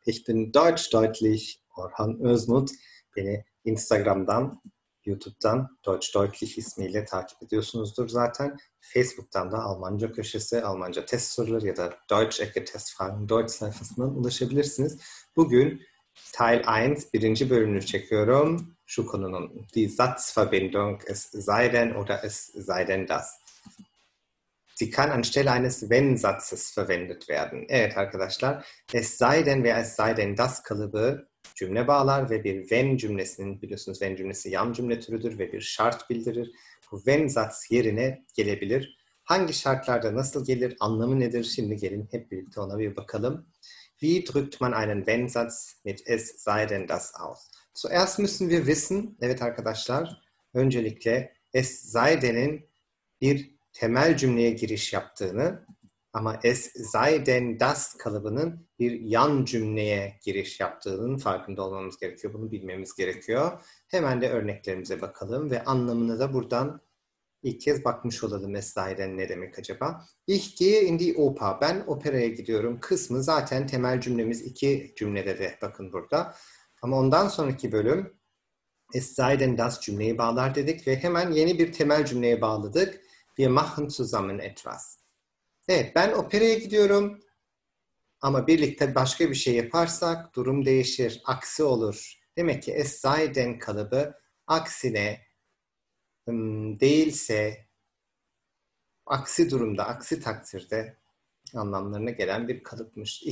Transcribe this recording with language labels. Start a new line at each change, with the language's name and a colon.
German: Ich bin Deutsch-Deutlich Orhan Özmut.
Turkish: Beni Instagram'dan, YouTube'dan Deutsch-Deutlich ismiyle takip ediyorsunuzdur zaten. Facebook'tan da Almanca köşesi, Almanca test soruları ya da Deutsch-Ecke-Test Fragen Deutsch sayfasından ulaşabilirsiniz. Bugün Teil 1, birinci bölümünü çekiyorum. Şu konunun,
German: die Satzverbindung, es sei denn oder es sei denn das. Sie kann anstelle eines Wenn-Satzes verwendet werden.
Turkish: Evet arkadaşlar, es sei denn veya es sei denn das kalıbı cümle bağlar ve bir wenn cümlesinin, biliyorsunuz wenn cümlesi yan cümle türüdür ve bir şart bildirir. Bu wenn-Satz yerine gelebilir. Hangi şartlarda nasıl gelir, anlamı nedir? Şimdi gelin hep birlikte ona bir bakalım.
German: Wie drückt man einen Wenn-Satz mit es sei denn das aus? Zuerst müssen wir wissen,
Turkish: evet arkadaşlar, öncelikle es sei denn'in bir temel cümleye giriş yaptığını ama es sei denn das kalıbının bir yan cümleye giriş yaptığının farkında olmamız gerekiyor. Bunu bilmemiz gerekiyor. Hemen de örneklerimize bakalım ve anlamını da buradan ilk kez bakmış olalım.
German: Es sei denn
Turkish: ne demek acaba?
German: Ich gehe in die Oper.
Turkish: Ben operaya gidiyorum kısmı zaten temel cümlemiz iki cümlede de bakın burada. Ama ondan sonraki bölüm es sei denn das cümleyi bağlar dedik ve hemen yeni bir temel cümleye bağladık.
German: Wir machen zusammen etwas.
Turkish: Evet, ben operaya gidiyorum. Ama birlikte başka bir şey yaparsak durum değişir, aksi olur. Demek ki es sei denn kalıbı aksine değilse aksi durumda, aksi takdirde anlamlarına gelen bir kalıpmış.